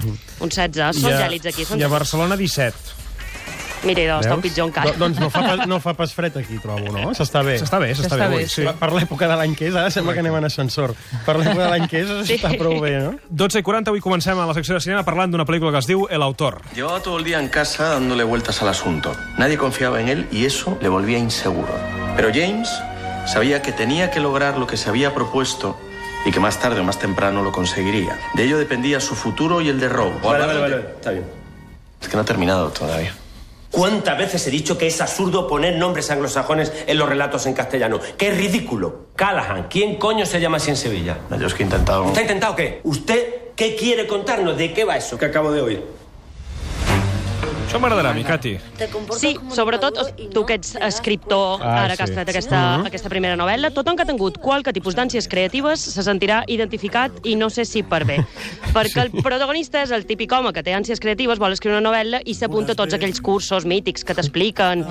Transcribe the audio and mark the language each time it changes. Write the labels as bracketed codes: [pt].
[ca] Un 16, són gèlids aquí. I a Barcelona, 17. Mira, idò, està pitjor encara. Doncs no fa pas fred aquí, trobo, no? S'està bé. S'està bé. Sí. Per l'època de l'any que és, ara sembla que anem en ascensor. Per l'època de l'any que és, està prou bé, no? 12:40, avui comencem a la secció de cinema parlant d'una pel·lícula que es diu El autor. [es] Llevaba todo el día en casa dándole vueltas al asunto. Nadie confiaba en él y eso le volvía inseguro. Pero James sabía que tenía que lograr lo que se había propuesto y que más tarde o más temprano lo conseguiría. De ello dependía su futuro y el de Rob. Vale, está bien. Es que no ha terminado todavía. ¿Cuántas veces he dicho que es absurdo poner nombres anglosajones en los relatos en castellano? ¡Qué ridículo! Callahan, ¿quién coño se llama así en Sevilla? No, yo es que he intentado... ¿Está intentado qué? ¿Usted qué quiere contarnos? ¿De qué va eso que acabo de oír? [ca] Això m'agradarà a mi, Cati. Sí, sobretot tu que ets escriptor, ara que has tret aquesta primera novel·la, tothom que ha tingut qualque tipus d'ànsies creatives se sentirà identificat i no sé si per bé. Perquè el protagonista és el típic home que té ànsies creatives, vol escriure una novel·la i s'apunta a tots aquells cursos mítics que t'expliquen...